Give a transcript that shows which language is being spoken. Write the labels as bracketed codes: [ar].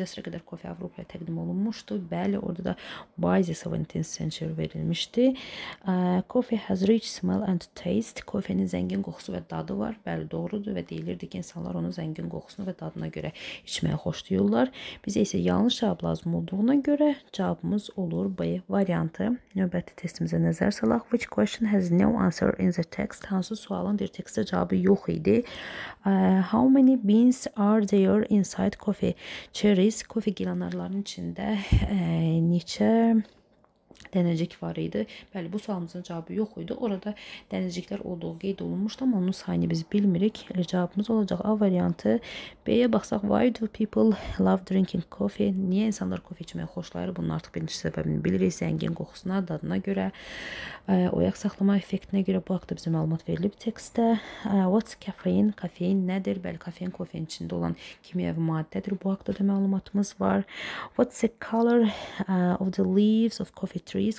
[az] əsrə qədər kofe Avropaya təqdim olunmuşdu. Bəli, orada da [en] by the 17th century [az] verilmişdi. [en] Coffee has rich smell and taste. [az] Kofenin zəngin qoxusu və dadı var. Bəli, doğrudur və deyilirdi ki, insanlar onun zəngin qoxusunu və dadına görə içməyə xoşlayırlar. Bizə isə yanlış cavab lazım olduğuna görə cavabımız olur B variantı. Növbəti testimizə nəzər salaq. [en] Which question has no answer in the text? [az] Hansı sualın bir tekstdə cavabı yox idi. [en] How many beans are there inside coffee cherries? [az] Kofe gilanarlarının içində neçə dənəcik var idi? Bəli, bu sualımızın cavabı yox idi. Orada dənəciklər olduğu qeyd olunmuşdu, amma onun sayını biz bilmirik. Cavabımız olacaq A variantı. B-yə baxsaq, [en] why do people love drinking coffee? [az] Niyə insanlar kofe içməyi xoşlayır? Bunun artıq birinci səbəbini bilirik. Zəngin qoxusuna, dadına görə, oyaq saxlama effektinə görə bu haqda bizə məlumat verilib tekstdə. [en] What's caffeine? [az] Kafein nədir? Bəli, kafein kofein içində olan kimyəvi maddədir. Bu haqda da məlumatımız var. [en] What's the color of the leaves of coffee trees?